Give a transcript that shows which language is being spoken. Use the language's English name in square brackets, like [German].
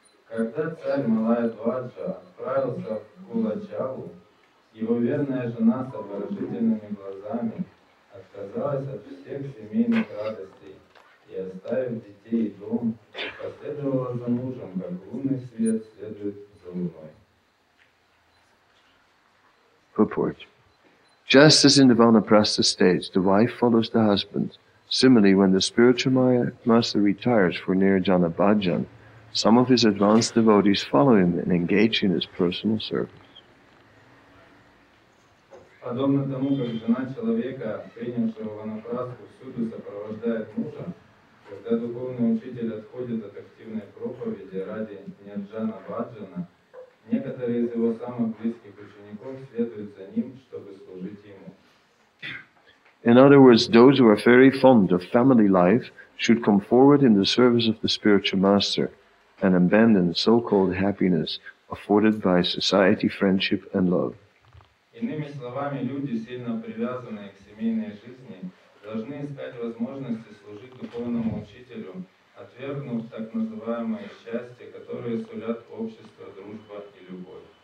[Russian] Когда царь Малая-дваджа отправился в Кулачалу, его верная жена с обворожительными глазами отказалась от всех семейных радостей и, оставив детей и дом, последовала за мужем, как лунный свет следует за луной. [English] Purport. Just as in the Vanaprastha states, the wife follows the husband. Similarly, when the spiritual Maya master retires for Nirjana Bhajan, some of his advanced devotees follow him and engage in his personal service. [Russian] Подобно тому, как жена человека, принявшего Ванапрастху, всюду сопровождает мужа, когда духовный учитель отходит от активной проповеди ради Нирджана Бхаджана, некоторые из его самых близких учеников следуют за ним, чтобы служить ему. [English] In other words, those who are very fond of family life should come forward in the service of the spiritual master and abandon so-called happiness afforded by society, friendship, and love. [Russian] Иными словами, люди, сильно привязанные к семейной жизни, должны искать возможности служить духовному учителю, отвергнув так называемое счастье, которое сулят общество, дружба и любовь.